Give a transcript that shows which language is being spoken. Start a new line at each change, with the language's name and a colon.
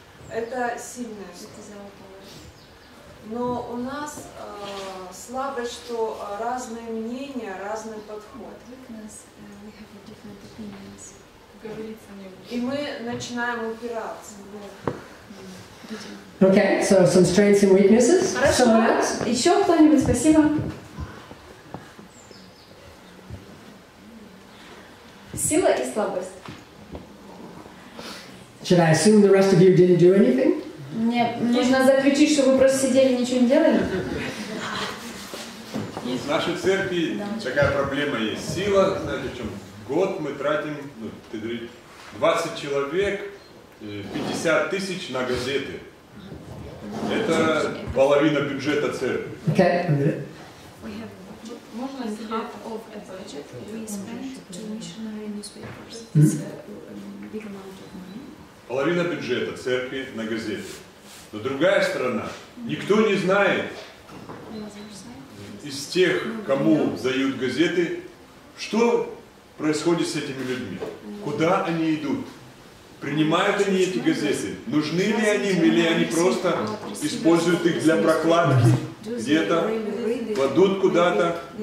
Russian: Это сильная церковь. Но у нас слабость, что разные мнения, разный подход. И мы начинаем упираться.
English: Okay, so some strengths and weaknesses.
Russian: Хорошо.
English: Someone else?
Russian: Еще кто-нибудь? Спасибо. Сила и слабость.
English: Should I assume the rest of you didn't do anything?
Russian: Мне нужно заключить, что вы просто сидели и ничего не делали? Ну, в нашей церкви такая проблема есть. Сила, знаете, в чем? Год мы тратим, ну, 20 человек, 50 тысяч на газеты. Это половина бюджета церкви.
English: Okay. We have more than half of a budget we spend to missionary newspapers. It's a big amount of money.
Russian: Половина бюджета церкви на газеты. Но другая сторона, никто не знает из тех, кому дают газеты, что происходит с этими людьми, куда они идут. Принимают они эти газеты? Нужны ли они им, или они просто используют их для прокладки где-то, кладут куда-то?